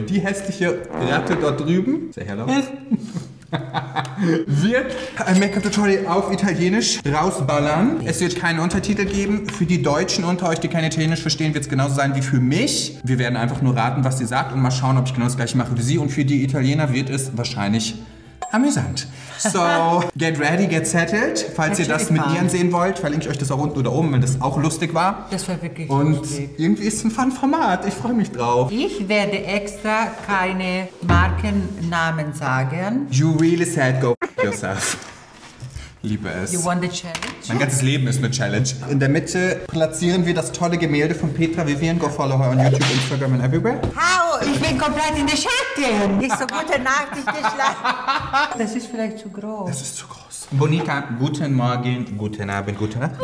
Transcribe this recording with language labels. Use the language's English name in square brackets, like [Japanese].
[German] Die hässliche Ratte dort drüben. [English] Say hello. [German] Wird ein Make-up-Tutorial auf Italienisch rausballern. Es wird keine Untertitel geben. Für die Deutschen unter euch, die kein Italienisch verstehen, wird es genauso sein wie für mich. Wir werden einfach nur raten, was sie sagt und mal schauen, ob ich genau das gleiche mache wie sie. Und für die Italiener wird es wahrscheinlich amüsant. [English] So, get ready, get settled. [German] Falls ihr das mit mir ansehen wollt, verlinke ich euch das auch unten oder oben, wenn das auch lustig war. Das war wirklich und lustig. Und irgendwie ist es ein Fun-Format. Ich freue mich drauf. Ich werde extra keine Markennamen sagen. [English] You really said go f*** yourself. [German] Liebe es. [English] You won the challenge. [German] Mein ganzes Leben ist eine Challenge. In der Mitte platzieren wir das tolle Gemälde von Petra Vivian. [English] Go follow her on YouTube, Instagram and everywhere. How? [German] Ich bin komplett in der Schatten. Ist so gute Nacht, ich geschlafen. Das ist vielleicht zu groß. Das ist zu groß. Bonita, guten Morgen, guten Abend, guten Nacht.